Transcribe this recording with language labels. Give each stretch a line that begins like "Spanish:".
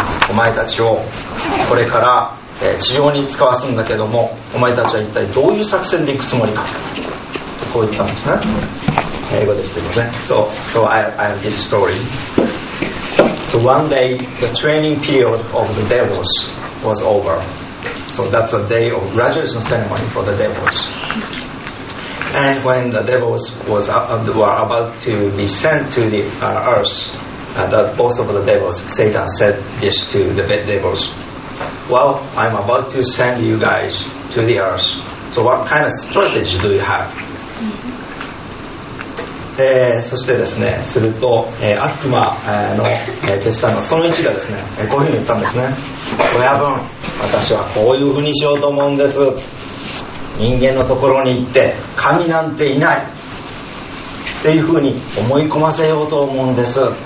Japanese: お前たちをこれから、地上に使わすんだけども、お前たちは一体どういう作戦で行くつもりか、こう言ったんですね。英語ですけどね。
English: So I have this story. So one day the training period of the devils was over. So that's a day of graduation ceremony for the devils. And when the devils were about to be sent to the earth, both of the devils, Satan said this to the devils, Well, I'm about to send you guys to the earth. So what kind of strategy do you have?
Japanese: そしてですね、すると、悪魔の、手下のその1がですね、こういうふうに言ったんですね。親分、私はこういうふうにしようと思うんです。人間のところに行って神なんていないっていうふうに思い込ませようと思うんです。